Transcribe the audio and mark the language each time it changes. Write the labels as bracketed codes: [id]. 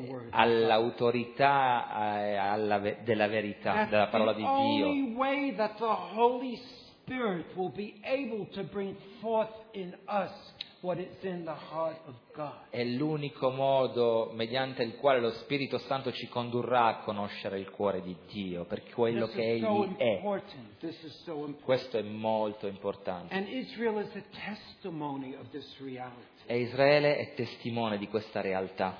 [it] All'autorità della verità, della parola di Dio. [en] The only way that the Holy Spirit will be able to bring forth in us what is in the heart of God. [it] È l'unico modo mediante il quale lo Spirito Santo ci condurrà a conoscere il cuore di Dio per quello che Egli è. Questo è molto importante. [en] And Israel is a testimony of this reality. [it] E Israele è testimone di questa realtà.